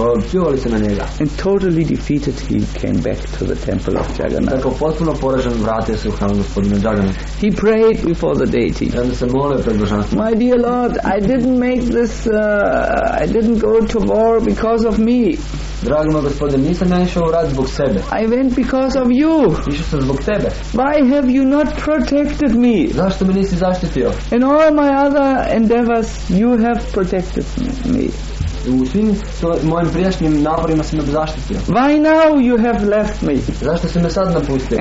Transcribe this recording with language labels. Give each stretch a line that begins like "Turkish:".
Croatian: Pljuvali se na njega.
English: And totally defeated, he came back to the temple of Jagannath.
Croatian: Tako potpuno poražen vratio se u hram gospodina Jagannath.
English: He prayed before the deity.
Croatian: Onda se molio pred božanstvom.
English: My dear Lord, I didn't make this. I didn't go to war because of me.
Croatian: Dragi moj gospodin, nisam ja išao u rat zbog sebe.
English: I went because of you.
Croatian: Išao sam zbog tebe.
English: Why have you not protected me?
Croatian: Zašto me nisi zaštitio?
English: In all my other endeavors, you have protected me.
Croatian: U svim mojim prijašnjim naporima si me zaštitio.
English: Why now you have left me?
Croatian: Zašto si me sad napustio?